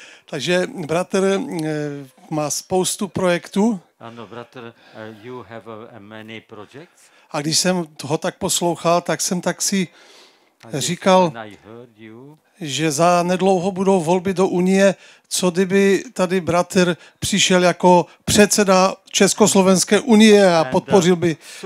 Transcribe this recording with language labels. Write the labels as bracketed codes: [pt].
[cs] Takže bratr má spoustu projektů. Ano, bratr, [en] you have many projects. [cs] A když jsem ho tak poslouchal, tak jsem tak si říkal, že za nedlouho budou volby do Unie, co kdyby tady bratr přišel jako předseda Československé unie a podpořil by.